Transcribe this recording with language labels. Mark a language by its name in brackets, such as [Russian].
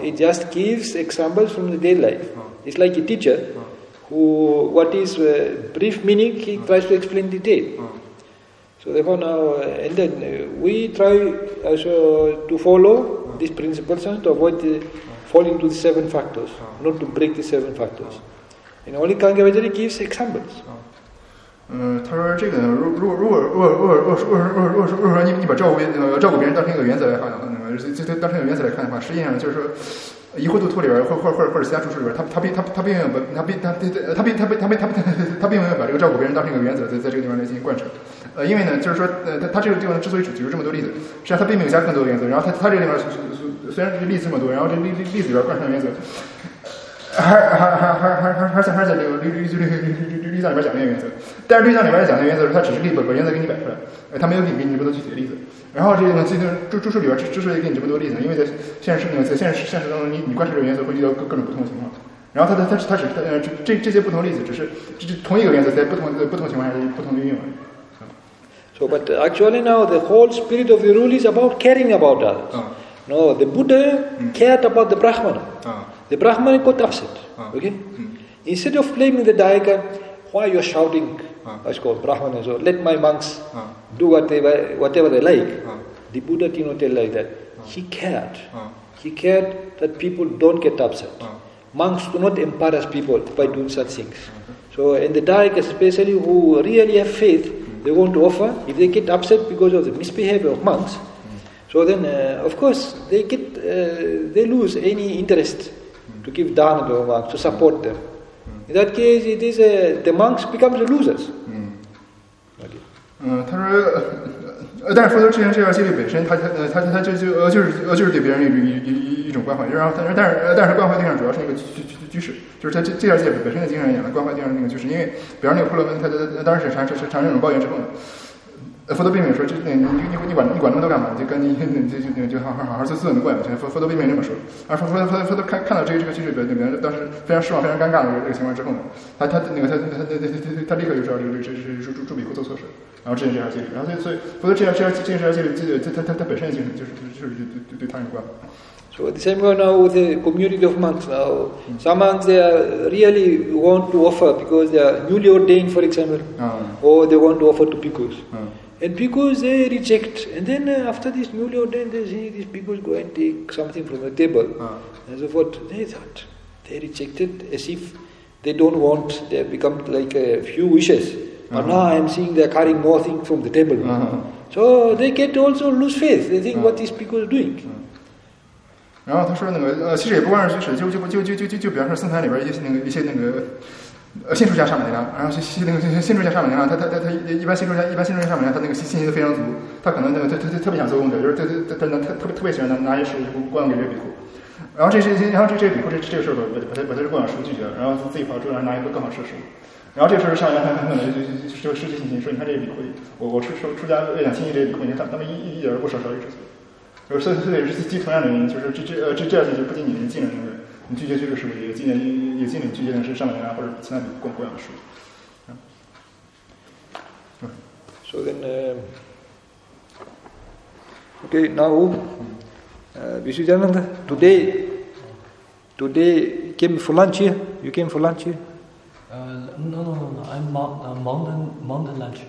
[English] It just gives examples from the daily life. It's like a teacher who what is brief meaning he tries to explain the detail. So therefore now, and then we try also to follow these principles and to avoid falling to the seven factors, not to break the seven factors. And only Kankaya Vidari gives examples. [Chinese] 他说这个呢，如果你把照顾别人当成一个原则来看的话，就当成一个原则来看的话，实际上就是说。疑惑度脱里边，或者其他处事里边，他并没有把这个照顾别人当成一个原则，在这个地方来进行贯彻。因为呢，就是说，他这个地方之所以举出这么多例子，实际上他并没有加更多的原则。然后他这个地方虽然是例子这么多，然后这例子里边贯穿原则，还在这个律藏里边讲那个原则。但是律藏里边讲那个原则，他只是例把原则给你摆出来，他没有给你这么多具体的例子。然后这个最近著述里边之所以给你这么多例子，因为在现实当中，你观察这个原则会遇到各种不同的情况。然后他只这些不同例子，只是这同一个原则在不同情况下不同的运用。 [English] So, but actually now the whole spirit of the rule is about caring about others. No, the Buddha cared about the Brahmana. The Brahmana got upset. Okay. Instead of blaming the Dayaka, why you are shouting? I call Brahmana. So let my monks. Do whatever they like. The Buddha did not tell like that. He cared. He cared that people don't get upset. Monks do not embarrass people by doing such things. So, and the Dayaka especially who really have faith, they want to offer. If they get upset because of the misbehavior of monks, so then, of course, they lose any interest to give dana to monks, to support them. In that case, it is the monks become the losers. [Chinese] 他说，但是佛陀之前这样戒律本身，他就是对别人一种关怀，然后但是关怀对象主要是那个居士，就是他这样戒律本身的精神一样，关怀对象那个居士，因为比方那个婆罗门，他当时产生这种抱怨之后呢，佛陀辩明说，这你管那么多干嘛？就跟你就好好自问怪吧。佛陀辩明这么说，而佛陀看到这个记者表表当时非常失望、非常尴尬的这个情况之后呢，他立刻就知道这是住比库做错事，然后这件事要解释。然后所以佛陀这件事他本身也就是对他有关。 [English] So the same way now with the community of monks now. Some monks they really want to offer because they are newly ordained, for example, or they want to offer to bhikkhus. And bhikkhus they reject. And then after this newly ordained, they see these bhikkhus go and take something from the table. And so forth. They thought, they rejected as if they don't want, they have become like a few wishes. But now I am seeing they are carrying more things from the table. So they get also lose faith. They think what these bhikkhus are doing. [Chinese] 然后他说那个其实也不光是举手，就比方说僧团里边一些那个信徒家上门的，然后信徒家上门的，他一般信徒家上门的，他那个信心都非常足，他可能那个他特别想做功德，就是他特别喜欢拿一些食物供给这比库，然后这比库这个事儿把他这供养食物拒绝了，然后自己跑出来拿一个更好吃的食物，然后这个时候上元还可能就失去信心，说你看这比库，我出家为想亲近这比库，你看他们一点都不少一只。所以同样的原因，就是这样子就不仅仅是禁了那个，你拒绝这个食物，也禁了拒绝的是上等人或者其他供养的食物。 [English] So then, okay, now, Vishwajananda, today came for lunch here. You came for lunch here? No. I'm Monday lunch.